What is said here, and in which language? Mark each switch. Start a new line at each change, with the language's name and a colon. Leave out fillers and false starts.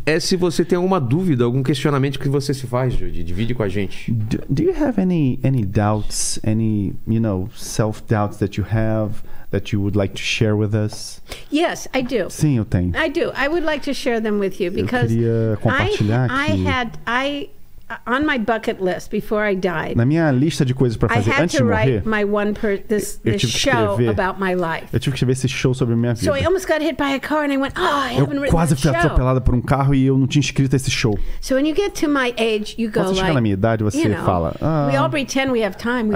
Portuguese: É se você tem alguma dúvida, algum questionamento que você se faz, Judy. Divide com a gente.
English: Do you have any doubts, any, you know, self-doubts that you have that you would like to share with us? Yes, I do.
Portuguese: Sim, eu tenho.
English: I do. I would like to share them with you because
Portuguese: eu queria compartilhar
English: aqui. I had on my bucket list before I died.
Portuguese: Na minha lista de coisas para fazer antes de morrer.
English: I had to write my one this show about my life.
Portuguese: Eu tive que escrever esse show sobre minha vida.
English: So I almost got hit by a car and I went, "Oh, I haven't written
Portuguese: show." Eu quase fui atropelada por um carro e eu não tinha escrito esse show.
English: So when you get to my age, you go like,
Portuguese: "Você chega na minha idade, você fala,
English: we all pretend we have time, we don't."